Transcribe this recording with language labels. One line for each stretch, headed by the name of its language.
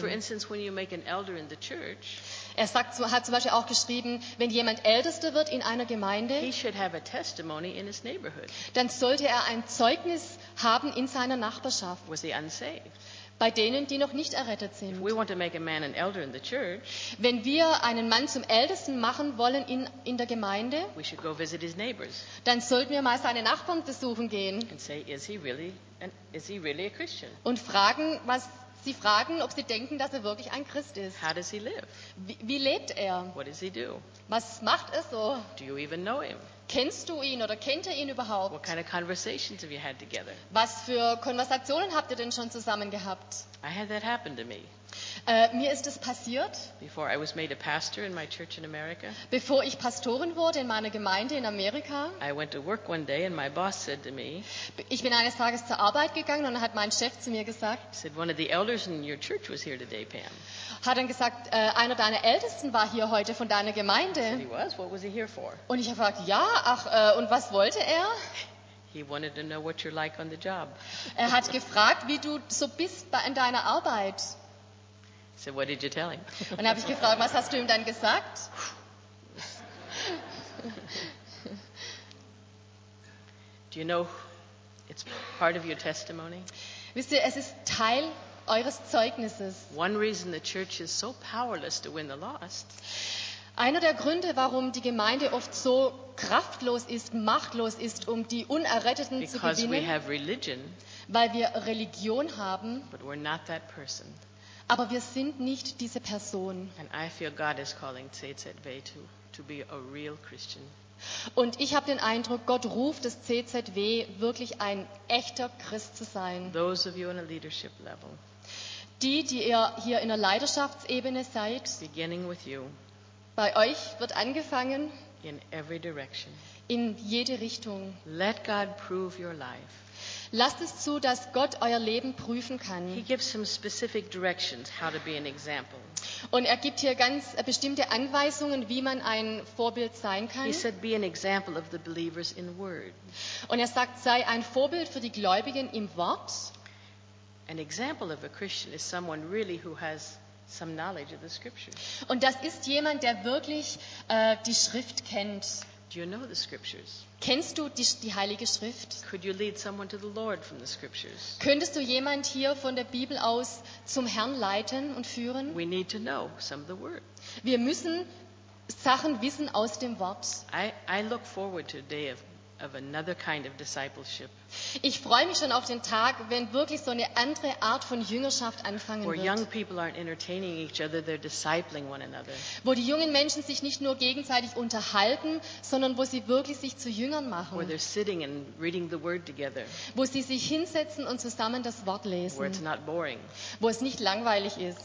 English: For instance, when you make an elder in the church,
German: er sagt, hat zum Beispiel auch geschrieben, wenn jemand Ältester wird in einer Gemeinde,
English: he should have a testimony in his neighborhood.
German: Dann sollte er ein Zeugnis haben in seiner Nachbarschaft.
English: Was he unsaved?
German: Bei denen, die noch nicht errettet sind.
English: If we want to make a man an elder in the church,
German: wenn wir einen Mann zum Ältesten machen wollen in der Gemeinde,
English: we should go visit his neighbors.
German: Dann sollten wir mal seine Nachbarn besuchen gehen.
English: And say, is he really, is he really a Christian?
German: Und fragen, was Sie fragen, ob sie denken, dass er wirklich ein Christ ist.
English: How does he live?
German: Wie lebt er?
English: What does he do?
German: Was macht er so?
English: Do you even know him?
German: Kennst du ihn oder kennt er ihn überhaupt?
English: What kind of conversations have you had together?
German: Was für Konversationen habt ihr denn schon zusammen gehabt?
English: I had that happen to me.
German: Mir ist es passiert,
English: before I was made a pastor in my church in America,
German: bevor ich Pastorin wurde in meiner Gemeinde in Amerika.
English: I went to work one day and my boss said to me,
German: ich bin eines Tages zur Arbeit gegangen und dann hat mein Chef zu mir gesagt,
English: said one of the elders in your church was here today, Pam.
German: Hat dann gesagt, einer deiner Ältesten war hier heute von deiner Gemeinde.
English: Said he was. What was he here for?
German: Und ich habe gefragt, ja, ach, und was wollte er?
English: He wanted to know what you're like on the job.
German: Er hat gefragt, wie du so bist in deiner Arbeit.
English: So what did you tell him?
German: Und habe ich gefragt, was hast du ihm dann gesagt?
English: Do you know it's part of your testimony?
German: Wisst ihr, es ist Teil eures Zeugnisses.
English: One reason the church is so powerless to win the lost.
German: Einer der Gründe, warum die Gemeinde oft so kraftlos ist, machtlos ist, um die Unerretteten
English: because
German: zu gewinnen,
English: we have religion,
German: weil wir Religion haben,
English: but we're not that person.
German: Aber wir sind nicht diese Person.
English: And I feel God is calling CZW to be a real Christian.
German: Und ich habe den Eindruck, Gott ruft das CZW, wirklich ein echter Christ zu sein.
English: Those of you on a leadership level,
German: die, die ihr hier in der Leiterschaftsebene seid,
English: beginning with you,
German: bei euch wird angefangen
English: in every direction,
German: in jede Richtung.
English: Let God prove your life.
German: Lasst es zu, dass Gott euer Leben prüfen kann.
English: He gives some specific directions how to be an example.
German: Und er gibt hier ganz bestimmte Anweisungen, wie man ein Vorbild sein kann.
English: He said, be an example of the believers in word.
German: Und er sagt, sei ein Vorbild für die Gläubigen im Wort.
English: An example of a Christian is someone really who has some knowledge of the scriptures.
German: Und das ist jemand, der wirklich die Schrift kennt.
English: Do you know the scriptures?
German: Kennst du die Heilige Schrift?
English: Could you lead someone to the Lord from the scriptures?
German: Könntest du jemand hier von der Bibel aus zum Herrn leiten und führen?
English: We need to know some of the word.
German: Wir müssen Sachen wissen aus dem Wort.
English: I look forward to a day of another kind of discipleship.
German: Ich freue mich schon auf den Tag, wenn wirklich so eine andere Art von Jüngerschaft anfangen wird.
English: Where young people aren't entertaining each other, they're discipling one another.
German: Wo die jungen Menschen sich nicht nur gegenseitig unterhalten, sondern wo sie wirklich sich zu Jüngern machen.
English: Where they're sitting and reading the word together.
German: Wo sie sich hinsetzen und zusammen das Wort lesen.
English: Where it's not boring.
German: Wo es nicht langweilig ist.